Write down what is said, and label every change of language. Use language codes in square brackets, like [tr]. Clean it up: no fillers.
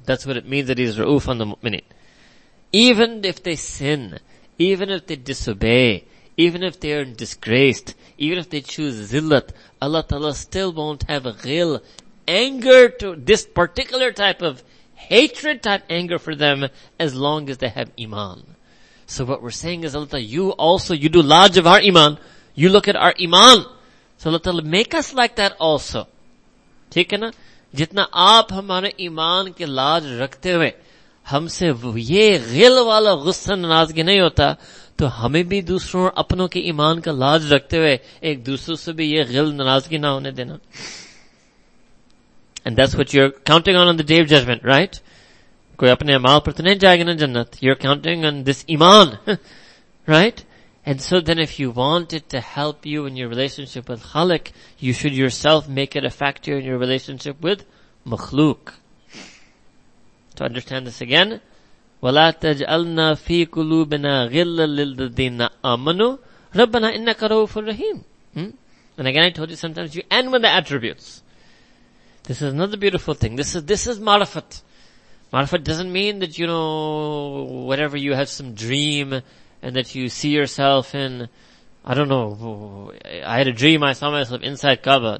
[en] That's what it means, that he's ra'uf on the mu'minin. Even if they sin, even if they disobey, even if they are disgraced, even if they choose zillat, Allah ta'ala still won't have ghil anger to this particular type of hatred type anger for them as long as they have iman. So what we're saying is, Allah Ta'ala, you also, you do laj of our iman. You look at our iman. So Allah Ta'ala, make us like that also. [hi] ठीक है ना? जितना आप हमारे ईमान के लाज रखते हुए हमसे ये गिल वाला गुस्सा नाराजगी नहीं होता तो हमें भी दूसरों अपनों के ईमान का लाज रखते हुए एक दूसरों से भी ये गिल नाराजगी ना होने देना. [en] And that's what you're counting on the day of judgment, right? [hi] कोई अपने अमाल पर तो नहीं जाएगा ना जन्नत. [en] You're counting on this ईमान, right? And so then if you want it to help you in your relationship with Khalik, you should yourself make it a factor in your relationship with Makhluk. To understand this again, [ar] وَلَا تَجْعَلْنَا فِي قُلُوبِنَا غِلَّا لِلَّذِينَ آمَنُوا رَبَّنَا إِنَّكَ رَوْفُ الرَّحِيمُ. [en] And again, I told you sometimes you end with the attributes. This is another beautiful thing. This is marifat. Marifat doesn't mean that, you know, whatever you have some dream, and that you see yourself in, I don't know, I had a dream, I saw myself inside Kaaba.